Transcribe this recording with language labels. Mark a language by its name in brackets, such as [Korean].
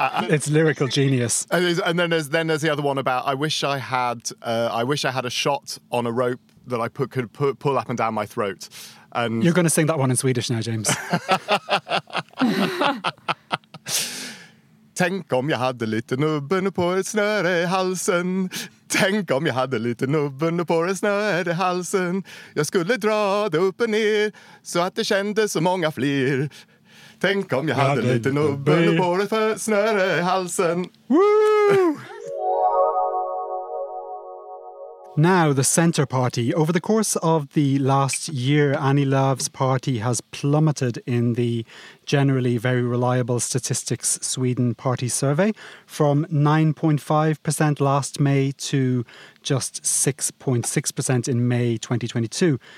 [English] It's lyrical genius. And then there's the other one about I wish I had a shot on a rope that I could pull up and down my throat. And you're going to sing that one in Swedish now, James. [Swedish] Tänk om jag hade lite nubben på ett snöre I halsen. Tänk om jag hade lite nubben på ett snöre I halsen. Jag skulle dra det upp och ner så att det kändes så många fler. Tänk om jag hade lite nubben på ett snöre I halsen. Woo! [English] Now, the Centre Party. Over the course of the last year, Annie Love's party has plummeted in the generally very reliable Statistics Sweden party survey from 9.5% last May to just 6.6% in May 2022.